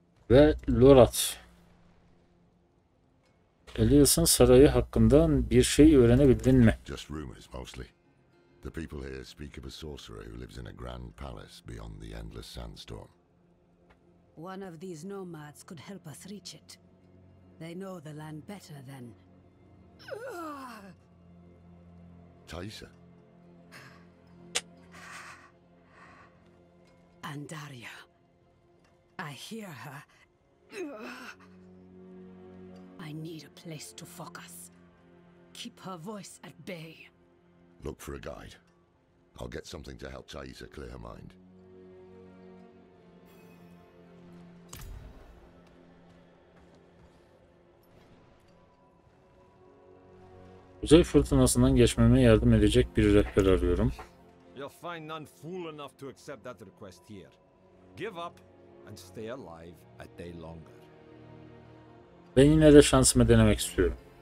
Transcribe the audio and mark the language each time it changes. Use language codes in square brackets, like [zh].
[tr] Ve Lorat. Elias'ın sarayı hakkında bir şey öğrenebildin mi? [en] Just rumors mostly. The people here speak of a sorcerer who lives in a grand palace beyond the endless sandstorm. One of these nomads could help us reach it. They know the land better than... Taisa. Andaria. I hear her. I need a place to focus. Keep her voice at bay. Look for a guide. I'll get something to help Taisa clear her mind. [tr] Kuzey fırtınasından geçmeme yardım edecek bir rehber arıyorum. [en] You'll find none fool enough to accept that request here. Give up and stay alive a day longer. [tr] Ben yine de şansımı denemek istiyorum.